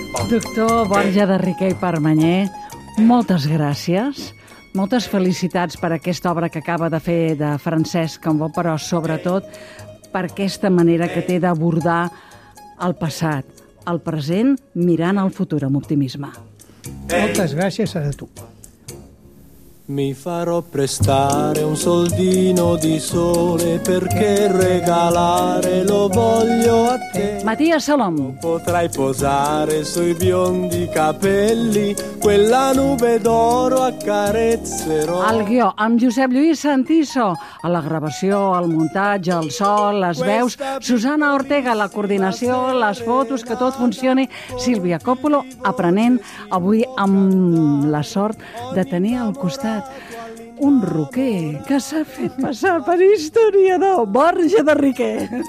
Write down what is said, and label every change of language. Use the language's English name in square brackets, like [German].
[Catalan] Doctor Borja de Riquer i Permanyer, moltes gràcies. Moltes felicitats per aquesta obra que acaba de fer de Francesc Cambó, però sobretot per aquesta manera que té d'abordar el passat, el present, mirant al futur amb optimisme. Moltes gràcies a tu. [Italian] Mi farò prestare un soldino di sole perché regalare lo voglio a te. Mattia Salom. Potrai posare sui biondi capelli quella nube d'oro accarezzerò. [Catalan] Al guió amb Josep Lluís Santiso, a la gravació, al muntatge, al sol, les veus, Susana Ortega, la coordinació, les fotos, que tot funcioni, Sílvia Coppolo aprenent avui amb la sort de tenir al costat un roquer que s'ha fet passar per historiador, Borja de Riquer.